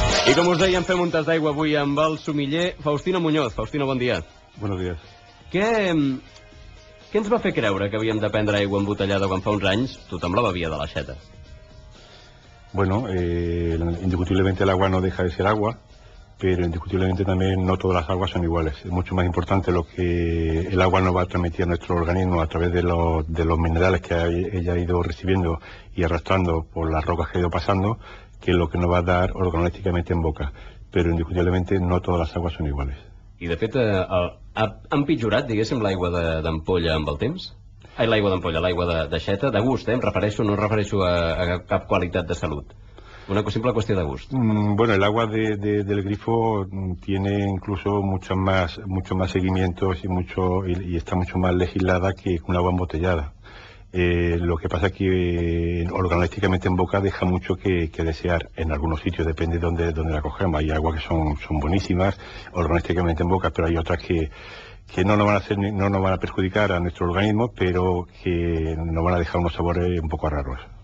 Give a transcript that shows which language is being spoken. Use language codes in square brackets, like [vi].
[ca] I com us dèiem, fem un tas d'aigua avui amb el sommelier Faustino Muñoz. Faustino, bon dia. Bon dia. Què ens va fer creure que havíem de prendre aigua embotellada quan fa uns anys tothom la bevia de l'aixeta? [es] Bueno, indiscutiblemente el agua no deja de ser agua, pero indiscutiblemente también no todas las aguas son iguales. Es mucho más importante lo que el agua nos va a transmitir a nuestro organismo a través de los minerales que ella ha ido recibiendo y arrastrando por las rocas que ha ido pasando, que es lo que nos va a dar organolécticamente en boca. Pero indiscutiblemente no todas las aguas son iguales. [ca] I de fet, ha empitjorat, diguéssim, l'aigua d'ampolla amb el temps? Ai, l'aigua d'ampolla, l'aigua d'aixeta, de gust, em refereixo, no em refereixo a cap qualitat de salut. Una simple qüestió de gust. [es] Bueno, el agua del grifo tiene incluso mucho más seguimientos y está mucho más legislada que un agua embotellada. Lo que pasa es que organolécticamente en boca deja mucho que desear en algunos sitios, depende de donde la cogemos. Hay aguas que son buenísimas organolécticamente en boca, pero hay otras que no nos van a hacer, no nos van a perjudicar a nuestro organismo, pero que nos van a dejar unos sabores un poco raros.